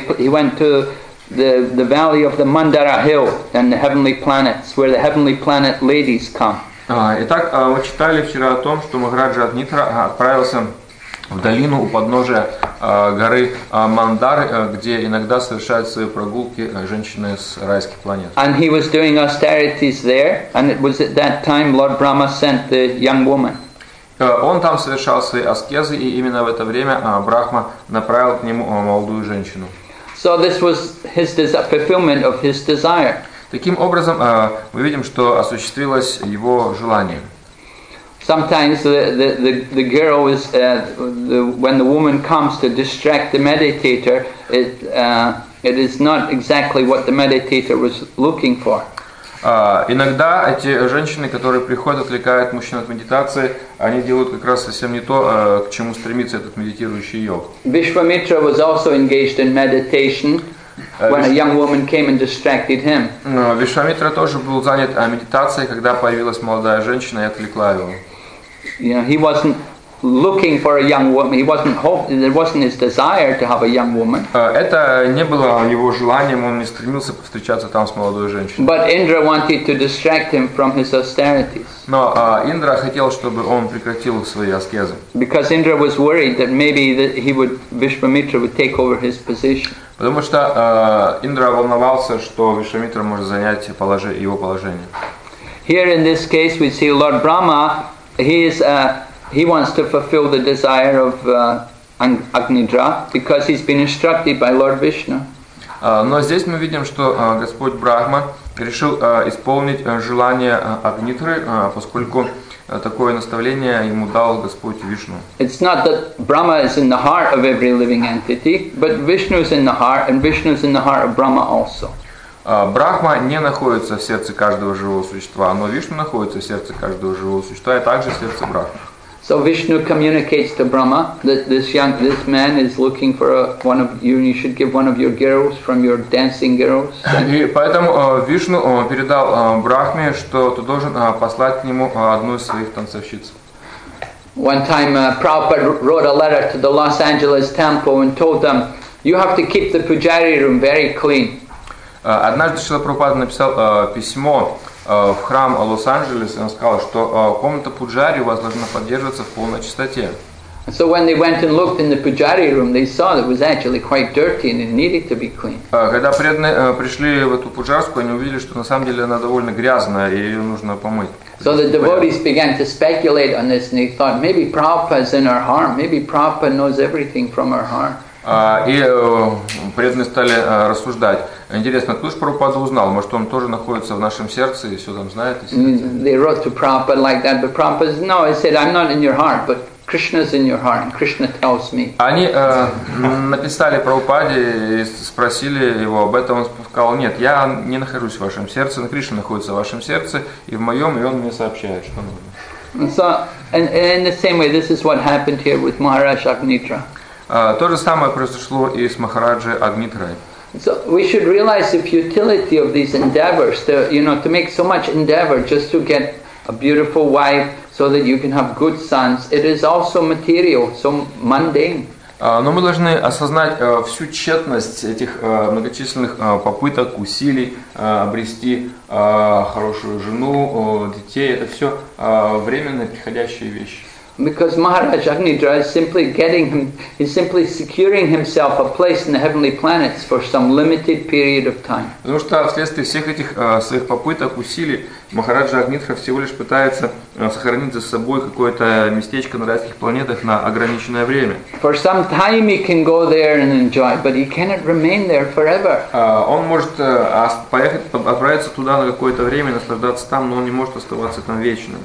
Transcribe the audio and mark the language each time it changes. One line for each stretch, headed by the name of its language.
English: He went to the valley of the Mandara Hill and the heavenly planets, where the heavenly planet ladies come.
Russian: Итак, мы читали вчера о том, что Махараджа Агнитра отправился в долину у подножия горы Мандары, где иногда совершают свои прогулки женщины с райских планет.
English: And he was doing austerities there, and it was at that time Lord Brahma sent the young woman.
Russian: Он там совершал свои аскезы, и именно в это время Брахма направил к нему молодую женщину.
English: So this was his fulfillment of his desire.
Russian: Таким образом, мы видим, что осуществилось его желание.
English: Sometimes the girl is when the woman comes to distract the meditator, it is not exactly what the meditator was looking for.
Russian: Иногда эти женщины, которые приходят, отвлекают мужчин от медитации, они делают как раз совсем не то, к чему стремится этот медитирующий йог.
English: Вишвамитра was also engaged in meditation when a young woman came and distracted him.
Russian: Вишвамитра тоже был занят медитацией, когда появилась молодая женщина и отвлекла его.
English: He wasn't looking for a young woman. He wasn't hoping. It wasn't his desire to have a young woman.
Russian: Это не было его желанием. Он не стремился встречаться там с молодой женщиной.
English: But Indra wanted to distract him from his austerities.
Russian: Но Индра хотел, чтобы он прекратил свои аскезы.
English: Because Indra was worried that maybe that he would Vishvamitra would take over his position.
Russian: Потому что Индра волновался, что Вишвамитра может занять его положение.
English: Here in this case, we see Lord Brahma. He wants to fulfill the desire of Agnidra because he's been instructed by Lord Vishnu.
Russian: Но здесь мы видим, что Господь Брахма решил исполнить желание Агнитры, поскольку такое наставление ему дал Господь Вишну.
English: It's not that Brahma is in the heart of every living entity, but Vishnu is in the heart, and Vishnu is in the heart of Brahma also.
Russian: Брахма не находится в сердце каждого живого существа, но Вишну находится в сердце каждого живого существа и также в сердце Брахмы.
English: So Vishnu communicates to Brahma that this man is looking for one of you, and you should give one of your girls from your dancing girls.
Russian: И поэтому Вишну передал Брахме, что ты должен послать к нему одну из своих танцовщиц.
English: One time Prabhupada wrote a letter to the Los Angeles temple and told them, you have to keep the pujari room very clean.
Russian: Однажды Шрила Прабхупада написал письмо в храм Лос-Анджелеса, и он сказал, что комната пуджари у вас должна поддерживаться в полной чистоте.
English: So when they went and looked in the pujari room, they saw that it was actually quite dirty and it needed to be cleaned.
Russian: Когда преданные пришли в эту пуджарскую, они увидели, что на самом деле она довольно грязная, и ее нужно помыть.
English: So the devotees began to speculate on this, and they thought, maybe Prabhupada is in our heart, maybe Prabhupada knows everything from our heart.
Russian: И преданные стали рассуждать. Интересно, кто же Прабхупада узнал? Может, он тоже находится в нашем сердце и все там знает?
English: They wrote to Prabhupada like that, but Prabhupada said, no, I said, I'm not in your heart, but Krishna's in your heart, and Krishna tells me.
Russian: Они написали Прабхупаде и спросили его об этом. Он сказал, нет, я не нахожусь в вашем сердце, но Кришна находится в вашем сердце и в моем, и он мне сообщает, что нужно.
English: So, in the same way, this is what happened here with Maharaj Agnitra.
Russian: То же самое произошло и с Махараджей Агнитрой.
English: So we should realize the futility of these endeavors, to make so much endeavor just to get a beautiful wife so that you can have good sons. It is also material, so mundane.
Russian: Но мы должны осознать всю тщетность этих многочисленных попыток, усилий обрести хорошую жену, детей. Это все временные, приходящие вещи.
English: Because Maharaj Agnidra is simply simply securing himself a place in the heavenly planets for some limited period of time.
Russian: Потому что вследствие всех этих своих попыток, усилий, Махараджа Агнитха всего лишь пытается сохранить за собой какое-то местечко на райских планетах на ограниченное время.
English: For some time he can go there and enjoy, but he cannot remain there forever.
Russian: Он может поехать, отправиться туда на какое-то время, наслаждаться там, но он не может оставаться там вечно.